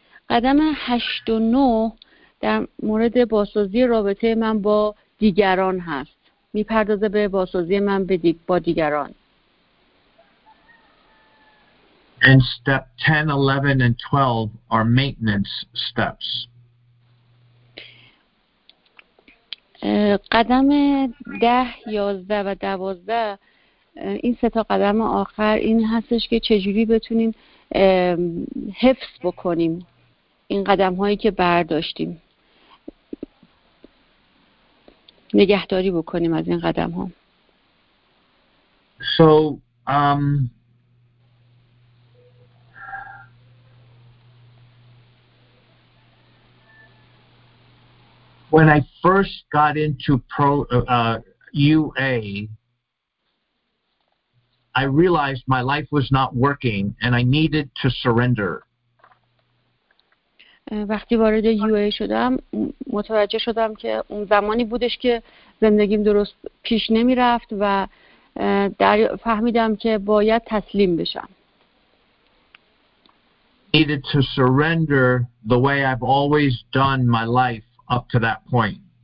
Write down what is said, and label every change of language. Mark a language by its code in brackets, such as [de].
[fa] قدم 8 و 9 در مورد بازسازی رابطه من با دیگران هست. میپردازه به بازسازی من با دیگران. [en] And step 10, 11 and 12 are maintenance steps. [fa] قدم 10, 11 و 12 این سه تا قدم آخر این هستش که چجوری بتونیم حفظ بکنیم این قدم هایی که برداشتیم. نگهداری بکنیم از این قدم ها. [en] So when I first got into UA, I realized my life was not working and I needed to surrender. [fa] وقتی وارد UA شدم متوجه شدم که اون زمانی بودش که زندگیم درست پیش نمی رفت و فهمیدم که باید تسلیم بشم. [en] Needed to surrender the way I've always done my life up to that point.